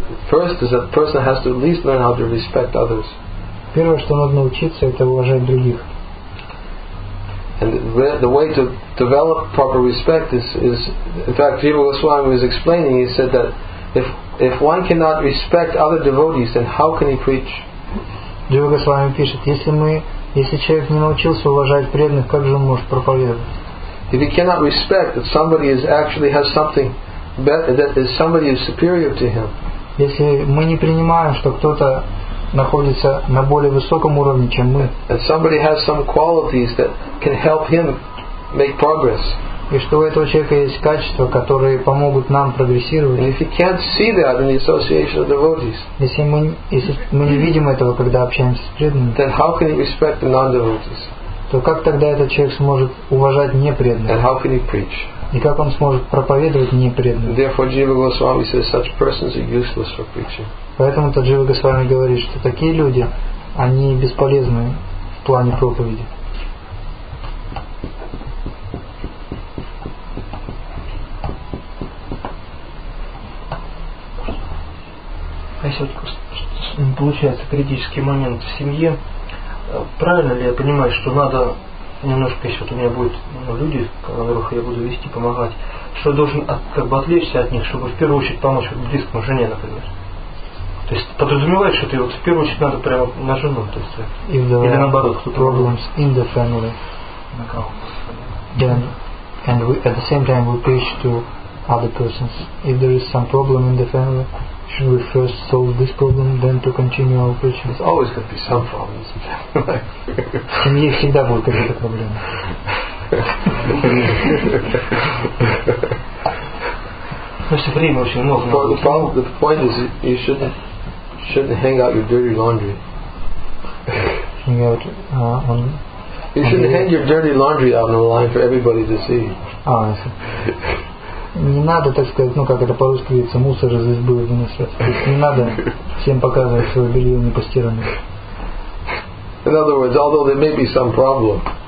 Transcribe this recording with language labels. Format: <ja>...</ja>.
<en>First is that person has to at least learn how to respect others.</en> <ru>Первое, что надо научиться, это уважать других.</ru> <en>And the way to develop proper respect is in fact, Jiva Goswami was explaining. He said that if one cannot respect other devotees, then how can he preach?</en> <ru>Jiva Goswami пишет, если человек не научился уважать преданных, как же он может проповедовать?</ru> <en>If he cannot respect that somebody is actually has something better, that is somebody is superior to him.</en> <ru>Если мы не принимаем, что кто-то находится на более высоком уровне, чем мы.</ru> <en>And somebody has some qualities that can help him make progress.</en> <ru>И что у этого человека есть качества, которые помогут нам прогрессировать.</ru> <en>And if he can't see that in the association of devotees,</en> <ru>если мы не видим этого, когда общаемся с преданными,</ru> <en>then how can he respect the non-devotees?</en> <ru>То как тогда этот человек сможет уважать непреданных?</ru> <en>And how can he preach?</en> <ru>И как он сможет проповедовать непреданным?</ru> <en>Therefore, Jiva Goswami says such persons are useless for preaching.</en> <ru>Поэтому Джива Госвами говорит, что такие люди, они бесполезны в плане проповеди. А если вот получается критический момент в семье, правильно ли я понимаю, что надо немножко, если вот у меня будут люди, которых я буду вести, помогать, что я должен как бы отвлечься от них, чтобы в первую очередь помочь вот близкому жене, например? То есть подразумевает, что ты вот в первую очередь надо прямо на жену, то есть или наоборот, кто-то</ru> <en>problems in the family. Then and we, at the same time we preach to other persons. If there is some problem in the family, should we first solve this problem, then to continue our preaching? There's always going to be some problems.</en> <ru>В семье всегда будут какие-то проблемы. Но все время очень много.</ru> <en>The problem, the point is, you shouldn't hang out your dirty laundry. Hang out on. You shouldn't hang your dirty laundry out on the line for everybody to see. Ah, I see.</en> <ru>Не надо, так сказать, ну как это по-русски говорится, мусор из избы выносить. То есть не надо всем показывать свое белье непостиранное.</ru> <en>In other words, although there may be some problem,</en>